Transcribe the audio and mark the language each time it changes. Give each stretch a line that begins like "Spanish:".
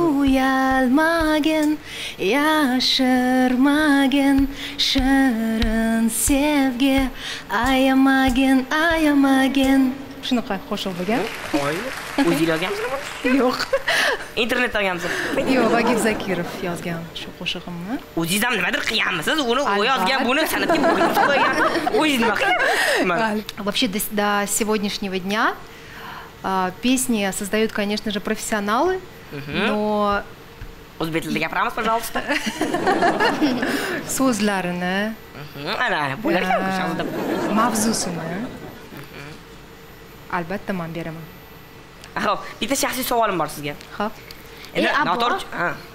Uzbek: bu? Uyalmagin, yashirmagin, shirin sevgi, ayamagin, ayamagin. Shunaqa qo'shiq bo'lgan. Oy, o'zingiz yozganmisiz? Yo'q. Internetdan olganmisiz? Yo'q, Vagif Zakirov yozgan shu qo'shig'imni. O'zingiz ham nimadir qilganmisiz? Uni yozgan, buni san'atga bo'ynib qo'ygan. O'zingiz nima qilgan?
Russian: Вообще до сегодняшнего дня песни создают, конечно же, профессионалы, но
Uzbek: o'zbek tilida gapiramiz, пожалуйста. So'zlarini. Ana, bo'lar ekan shunda. Mavzusini. Albatta, men beraman. Xo'p, bitta shaxsiy savolim bor sizga. Xo'p. Endi Nator, ha.